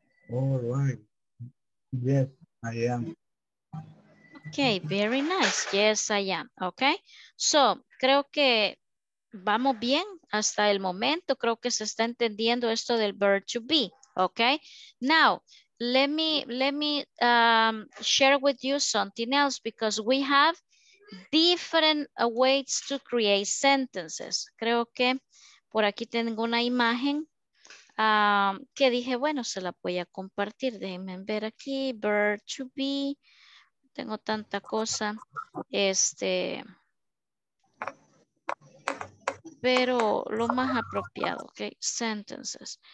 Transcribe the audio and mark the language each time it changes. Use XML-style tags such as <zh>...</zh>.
<en>All right, yes, I am. Okay, very nice, yes, I am.</en> <es>Okay, so creo que vamos bien hasta el momento. Creo que se está entendiendo esto del verb to be.</es> <en>Okay, now let me share with you something else because we have different ways to create sentences.</en> <es>Creo que por aquí tengo una imagen que dije, bueno, se la voy a compartir. Déjenme ver aquí, verb to be. Tengo tanta cosa. Pero lo más apropiado, ok, sentences.</es>